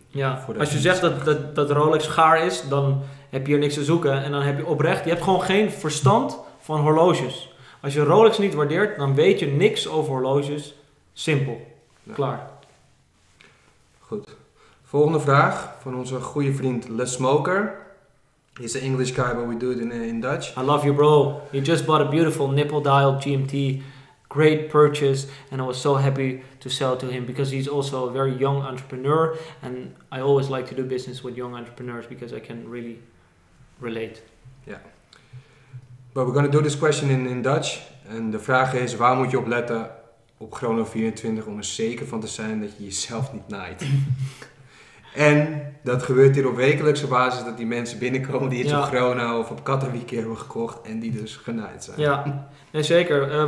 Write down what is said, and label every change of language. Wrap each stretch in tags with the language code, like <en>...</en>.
<nl>Ja, als je zegt dat Rolex gaar is, dan heb je hier niks te zoeken. En dan heb je oprecht, je hebt gewoon geen verstand van horloges. Als je Rolex niet waardeert, dan weet je niks over horloges. Simpel. Ja. Klaar. Goed. Volgende vraag van onze goede vriend Le Smoker.</nl> <en>He's an English guy, but we do it in Dutch. I love you, bro. You just bought a beautiful nipple-dialed GMT. Great purchase, and I was so happy to sell to him because he's also a very young entrepreneur, and I always like to do business with young entrepreneurs because I can really relate. Yeah. But we're going to do this question in Dutch. And the</en> <nl>vraag is, waar moet je op letten op Chrono 24 om er zeker van te zijn dat je jezelf niet naait? En dat gebeurt hier op wekelijkse basis dat die mensen binnenkomen die iets op Chrono of op Katowice hebben gekocht en die dus genaaid zijn. Ja, nee, zeker.</nl>